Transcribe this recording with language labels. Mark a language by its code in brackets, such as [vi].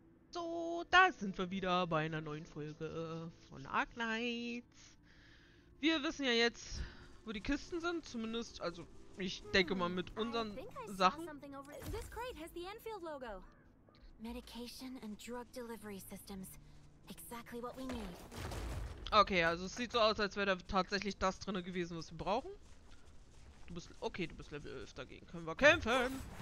[de] So, da sind wir wieder bei einer neuen Folge von Ark Knights. Wir wissen ja jetzt, wo die Kisten sind, zumindest, also ich denke mal mit unseren Sachen. [en] This crate has the Enfield logo. Medication and drug delivery systems. Exactly what we need. [de] Okay, also es sieht so aus, als wäre da tatsächlich das drin gewesen, was wir brauchen. Du bist okay, du bist Level 11, dagegen können wir kämpfen.